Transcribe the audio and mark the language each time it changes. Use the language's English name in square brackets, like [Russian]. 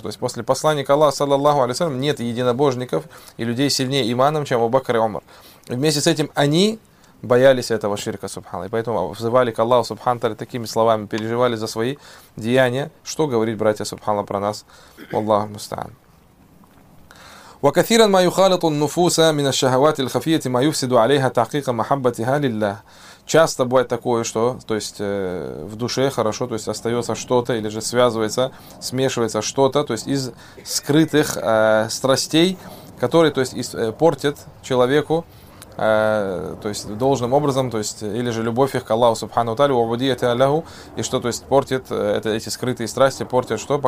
[Russian] То есть после посланника Аллаха, саллаллаху алейхи ва саллям, нет единобожников и людей сильнее иманом, чем Абу Бакр и Умар. И вместе с этим они боялись этого ширка, субханаллах. И поэтому взывали к Аллаху, субханаллах, такими словами, переживали за свои деяния. Что говорить, братья, субханаллах, про нас? Аллаху мустаан. [Arabic] وكثيرا ما يخالط النفوس من الشهوات الخفيه ما يفسد عليها تحقيق محبتها لله. [Russian] Часто бывает такое, что, то есть, в душе хорошо, то есть остается что-то или же связывается, смешивается что-то, то есть из скрытых страстей, которые, то есть, портят человеку, то есть должным образом, то есть, или же любовь их к Аллаху субхану ва тааля, убудиятя Аллаху, и что, то есть, портит эти скрытые страсти, портят что?